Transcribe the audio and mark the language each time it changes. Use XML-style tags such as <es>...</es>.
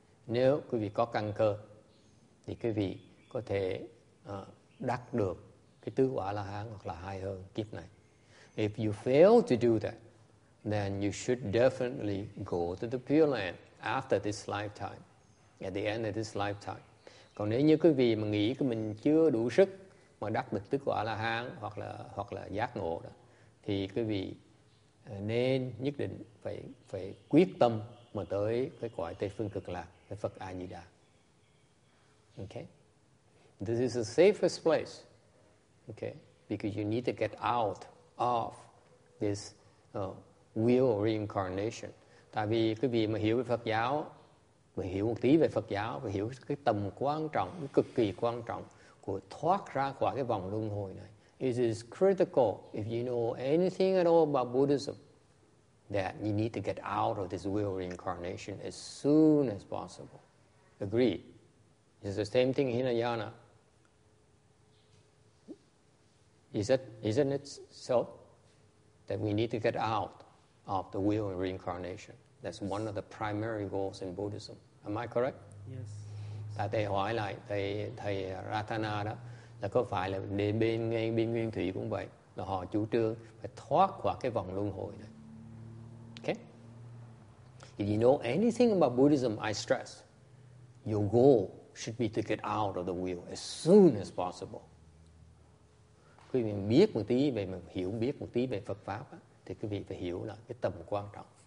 <vi>Nếu quý vị có căn cơ, thì quý vị có thể đắc được cái tứ quả la hán hoặc là hai hơn kiếp này.</vi> <en>If you fail to do that, then you should definitely go to the Pure Land after this lifetime, at the end of this lifetime.</en> <vi>Còn nếu như quý vị mà nghĩ mình chưa đủ sức mà đắc được tức quả là hang hoặc là giác ngộ đó, thì quý vị nên nhất định phải phải quyết tâm mà tới cái cõi Tây Phương Cực Lạc, cái Phật A Di Đà.</vi> <en>Okay, this is the safest place. Okay, because you need to get out of this wheel of reincarnation.</en> <vi>Tại vì quý vị mà hiểu về Phật giáo, mà hiểu một tí về Phật giáo, mà hiểu cái tầm quan trọng, cực kỳ quan trọng của thoát ra khỏi cái vòng luân hồi này.</vi> <en>It is critical, if you know anything at all about Buddhism, that you need to get out of this wheel of reincarnation as soon as possible. Agreed. It's the same thing in Hinayana. Isn't it so? That we need to get out of the wheel of reincarnation. That's one of the primary goals in Buddhism. Am I correct? Yes.</en> <vi>Tại thầy hỏi lại thầy thầy Ratana đó là có phải là đến bên ngay bên nguyên thủy cũng vậy là họ chủ trương phải thoát khỏi cái vòng luân hồi này.</vi> <en>Okay. If you know anything about Buddhism, I stress, your goal should be to get out of the wheel as soon as possible.</en> <vi>Quý vị biết một tí về mình hiểu biết một tí về Phật pháp á, thì quý vị phải hiểu là cái tầm quan trọng.</vi>